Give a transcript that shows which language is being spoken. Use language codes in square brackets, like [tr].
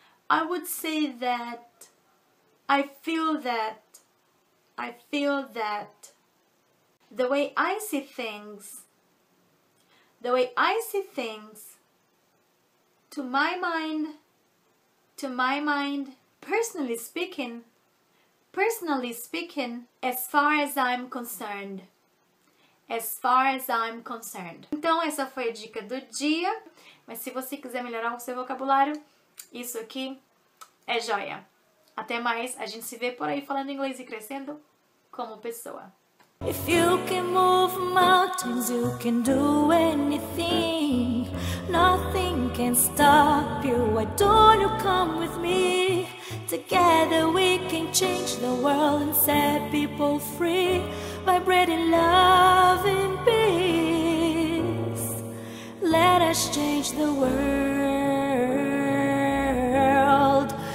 [en] I would say that I feel that the way I see things to my mind personally speaking as far as I'm concerned. [pt] Então essa foi a dica do dia, mas se você quiser melhorar o seu vocabulário, isso aqui é joia. Até mais, a gente se vê por aí falando inglês e crescendo como pessoa. [en] If you can move mountains, you can do anything. Nothing can stop you, why don't you come with me? Together we can change the world and set people free. Vibrating love and peace, let us change the world.